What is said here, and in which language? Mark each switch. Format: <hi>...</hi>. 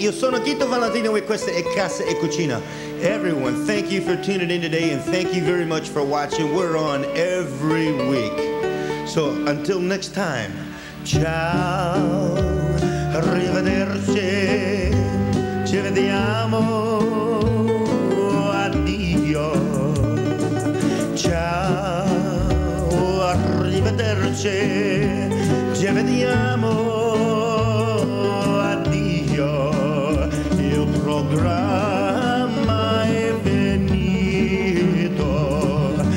<it>Io sono Tito Valentino e questa è Casa e Cucina.</it> <en>Everyone, thank you for tuning in today and thank you very much for watching. We're on every week. So until next time,</en> <it>ciao, arrivederci, ci vediamo. Ciao, arrivederci, ci vediamo, addio, il programma è finito,</it>